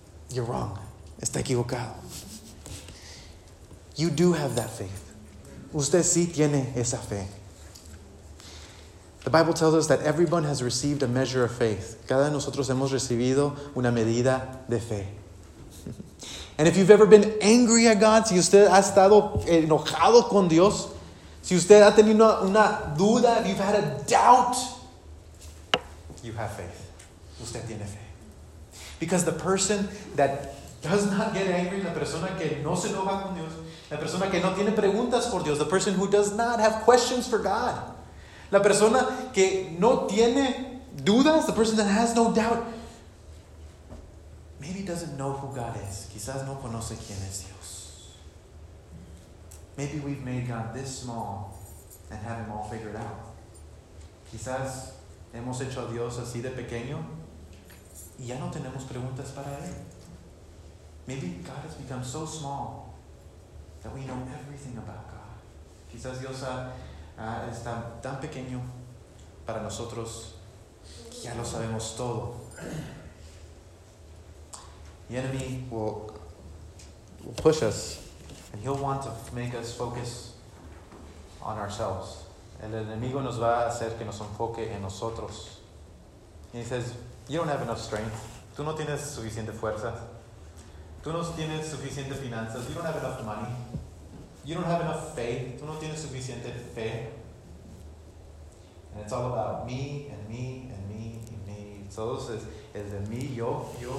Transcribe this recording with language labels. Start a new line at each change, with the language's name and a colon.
English: You're wrong.
Spanish: Está equivocado.
English: You do have that faith.
Spanish: Usted sí tiene esa fe.
English: The Bible tells us that everyone has received a measure of faith.
Spanish: Cada de nosotros hemos recibido una medida de fe.
English: And if you've ever been angry at God,
Spanish: si usted ha estado enojado con Dios, si usted ha tenido una duda,
English: if you've had a doubt, you have faith.
Spanish: Usted tiene fe.
English: Because the person that does not get angry,
Spanish: la persona que no se enoja con Dios, la persona que no tiene preguntas por Dios,
English: the person who does not have questions for God,
Spanish: la persona que no tiene dudas,
English: the person that has no doubt, maybe doesn't know who God is.
Spanish: Quizás no conoce quién es Dios.
English: Maybe we've made God this small and have him all figured out.
Spanish: Quizás hemos hecho a Dios así de pequeño y ya no tenemos preguntas para él.
English: Maybe God has become so small that we know everything about God.
Spanish: Quizás Dios está tan pequeño para nosotros que ya lo sabemos todo.
English: The enemy will push us, and he'll want to make us focus on ourselves.
Spanish: El enemigo nos va a hacer que nos enfoque en nosotros.
English: And he says, "You don't have enough strength.
Spanish: Tú no tienes suficiente fuerza. Tú no tienes suficiente finanzas.
English: You don't have enough money. You don't have enough faith.
Spanish: Tú no tienes suficiente fe."
English: And it's all about me and me and me and me.
Spanish: Todo es el de mí, yo.